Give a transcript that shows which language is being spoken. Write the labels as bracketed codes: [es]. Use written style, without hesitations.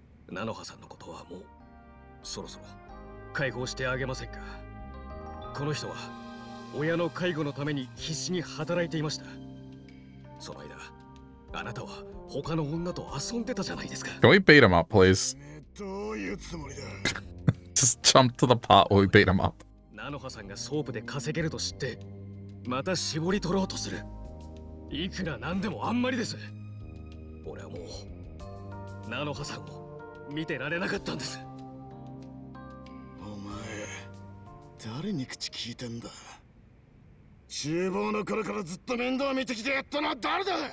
[ja] ナノハさんのことはもうそろそろ解放してあげませんか。この人は親の介護のために必死に働いていました。その間あなたは他の女と遊んでたじゃないですか。 [en] Can we beat him up, please? [ja] どういうつもりだ。 [en] Just jump to the part where we beat him up. [ja] ナノハさんがソープで稼げると知ってまた絞り取ろうとする。いくらなんでもあんまりです。俺はもうナノハさんを見てられなかったんです。お前誰に口聞いてんだ。厨房の頃からずっと面倒見てきてやったのは誰だ。